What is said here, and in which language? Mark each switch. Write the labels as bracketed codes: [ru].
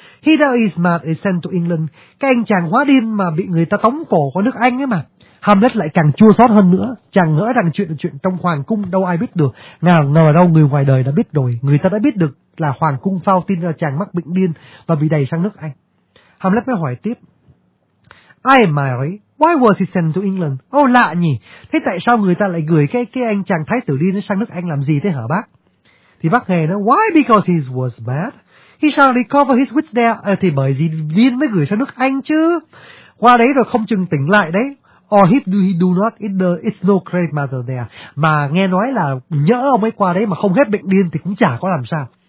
[en] He that is mad is sent to England, [vi] cái anh chàng hóa điên mà bị người ta tống cổ qua nước Anh ấy mà. Hamlet lại càng chua xót hơn nữa, chàng ngỡ rằng chuyện là chuyện trong hoàng cung, đâu ai biết được, nào ngờ đâu người ngoài đời đã biết rồi, người ta đã biết được là hoàng cung phao tin là chàng mắc bệnh điên và bị đẩy sang nước Anh. Hamlet mới hỏi tiếp, [en] I am Mary, why was he sent to England? [vi] Oh, lạ nhỉ, thế tại sao người ta lại gửi cái anh chàng thái tử điên sang nước Anh làm gì thế hả bác? Thì bác Hề nói, [en] why, because he was mad, he shall recover his wits there, [vi] thì bởi gì điên mới gửi sang nước Anh chứ, qua đấy rồi không chừng tỉnh lại đấy. [en] Or if he do not, it's no great matter there, [vi] mà nghe nói là nhỡ ông ấy qua đấy mà không hết bệnh điên thì cũng chả có làm sao.